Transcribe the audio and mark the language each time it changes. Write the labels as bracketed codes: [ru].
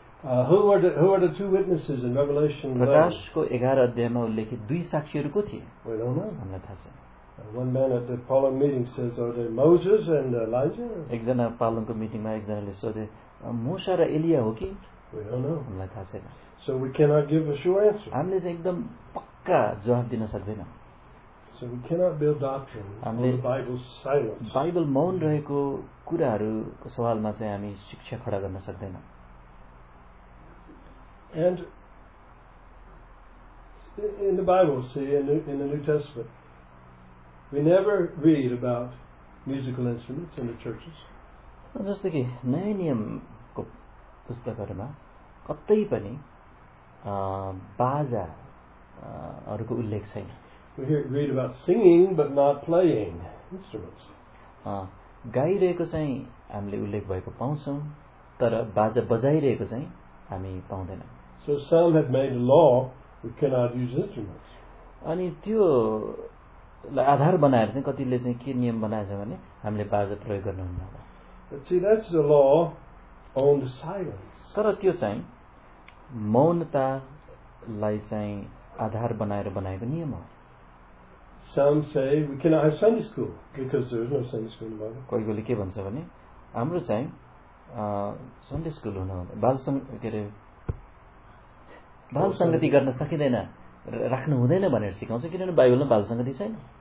[en] who are the two witnesses in Revelation 11? [ne] प्रकाश को 11 अध्याय में उल्लेखित दुई साक्षीहरू को थिए? [en] We don't know. One man at the Palm meeting says, are they Moses and Elijah? [ne] एकजना पालन को मीटिंग में एकजनाले सोधे मूसा र एलिया हो कि? [en] We don't know. [ne] हामीलाई थाहा छैन. [en] So we cannot give a sure answer. [ne] हामीले चाहिँ एकदम पक्का जवाफ दिन सक्दैनौ. [en] So we cannot build doctrine on the Bible's silence. [ne] Bible मौन रहेको कुराहरूको सवालमा चाहिँ हामी शिक्षा खडा गर्न सक्दैनौ. [en] And in the Bible, see, in the New Testament, we never read about musical instruments in the churches. [ne] जस्तो कि नयाँ नियमको पुस्तकहरूमा कतै पनि बाजाहरूको उल्लेख छैन. [en] We read about singing, but not playing instruments. [ne] गाइरहेको चाहिँ हामीले उल्लेख भएको पाउँछौँ, तर बाजा बजाइरहेको चाहिँ हामी पाउँदैनौँ. [en] So some have made a law, we cannot use instruments. [ne] अनि त्यो आधार बनाएर चाहिँ कतिले चाहिँ के नियम बनाएछ भने हामीले बाजा प्रयोग गर्न हुँदैन. [en] But see, that's the law on the silence. [ne] तर त्यो चाहिँ मौनतालाई चाहिँ आधार बनाएर बनाएको नियम हो. [en] Some say we cannot have Sunday school because there is no Sunday school in the Bible. [ne] कोहीले के भन्छ भने हाम्रो चाहिँ Sunday school हुन हुँदैन. बालसँग के रे बाल संगति गर्न सकिँदैन, राख्नु हुँदैन भनेर सिकाउँछ, किनभने बाइबलमा बाल संगति छैन.